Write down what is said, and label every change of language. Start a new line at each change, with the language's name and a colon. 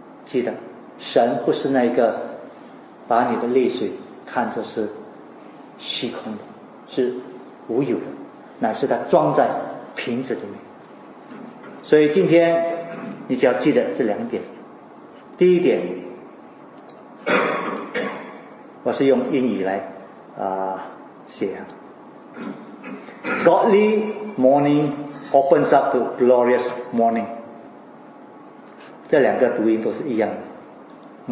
Chinese: 记得神不是那个把你的泪水看作是虚空的，是无有的，乃是他装在瓶子里面。所以今天你只要记得这两点。第一点，我是用英语来写啊。
English: Godly morning opens up to glorious morning.
Chinese: 这两个读音都是一样的。